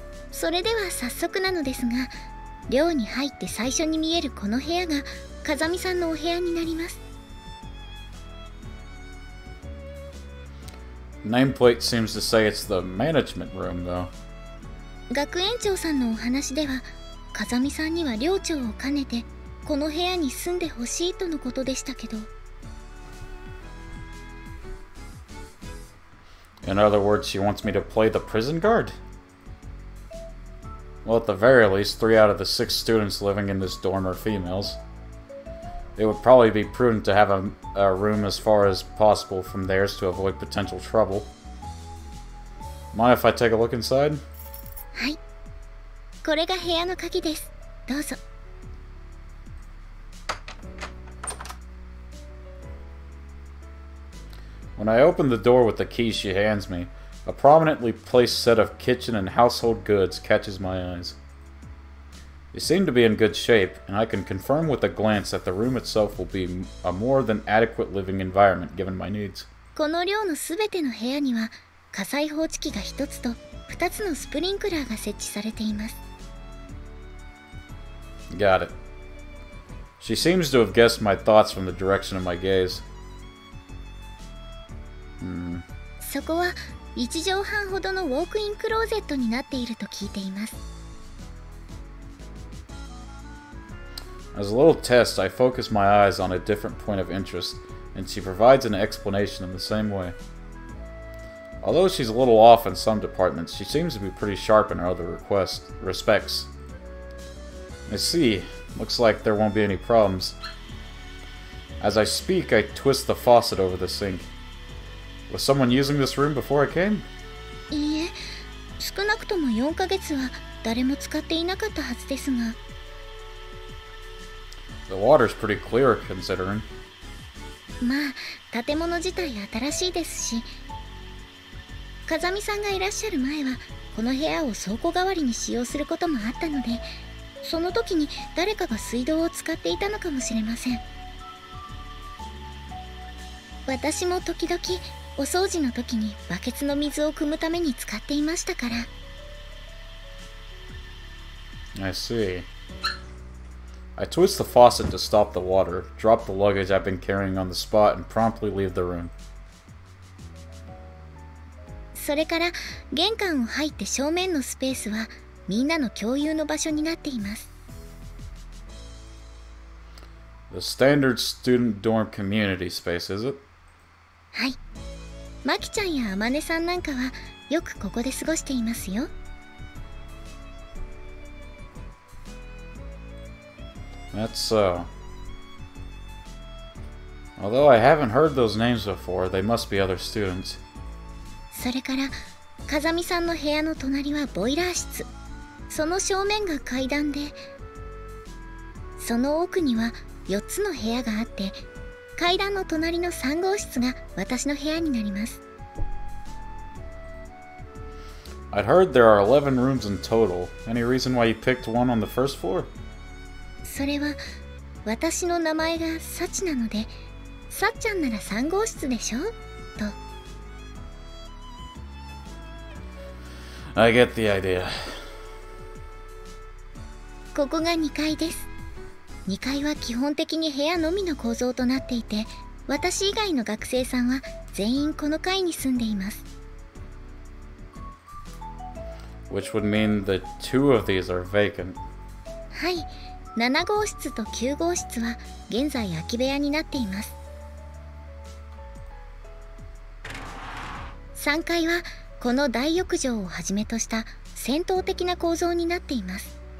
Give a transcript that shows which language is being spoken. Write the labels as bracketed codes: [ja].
[ja] それでは早速なのですが、寮に入って最初に見えるこの部屋が風見さんのお部屋になります。 [en] Nameplate seems to say it's the management room, though. [ja] 学園長さんのお話では、風見さんには寮長を兼ねてこの部屋に住んでほしいとのことでしたけど。 [en] In other words, she wants me to play the prison guard? Well, at the very least, 3 out of the 6 students living in this dorm are females. It would probably be prudent to have a room as far as possible from theirs to avoid potential trouble. Mind if I take a look inside? [ja] はい。これが部屋の鍵です。どうぞ。 [en] When I open the door with the key she hands me, a prominently placed set of kitchen and household goods catches my eyes. They seem to be in good shape, and I can confirm with a glance that the room itself will be a more than adequate living environment given my needs. [ja] この寮のすべての部屋には火災報知器が1つと2つのスプリンクラーが設置されています。 [en] Got it. She seems to have guessed my thoughts from the direction of my gaze. [ja] そこは1畳半ほどのウォークインクローゼットになっていると聞いています。 [en] As a little test, I focus my eyes on a different point of interest, and she provides an explanation in the same way. Although she's a little off in some departments, she seems to be pretty sharp in her other respects. I see. Looks like there won't be any problems. As I speak, I twist the faucet over the sink. Was someone using this room before I came? [ja] いいえ、少なくとも4ヶ月は誰も使っていなかったはずですが。 [en] The water's pretty clear, considering. [ja] まあ、建物自体新しいですし。風見さんがいらっしゃる前は、この部屋を倉庫代わりに使用することもあったので、その時に誰かが水道を使っていたのかもしれません。私も時々、お掃除の時にバケツの水を汲むために使っていましたから。 [en] I see. I twist the faucet to stop the water, drop the luggage I've been carrying on the spot, and promptly leave the room. [ja] それから玄関を入って正面のスペースはみんなの共有の場所になっています。 [en] The standard student dorm community space, is it? [ja] はい。マキちゃんやアマネさんなんかはよくここで過ごしていますよ。 [en] That's so. Although I haven't heard those names before, they must be other students. [ja] それから、風見さんの部屋の隣はボイラー室。その正面が階段で、その奥には4つの部屋があって、階段の隣の3号室が私の部屋になります。 [en] I'd heard there are 11 rooms in total. Any reason why you picked one on the first floor? [ja] それは、私の名前がサチなので、サッちゃんなら3号室でしょ? と。 [en] I get the idea. [ja] ここが2階です。 2階は基本的に部屋のみの構造となっていて、私以外の学生さんは全員この階に住んでいます。 [en] Which would mean the 2 of these are vacant. [ja] はい、7号室と9号室は現在空き部屋になっています。 3階はこの大浴場をはじめとした戦闘的な構造になっています。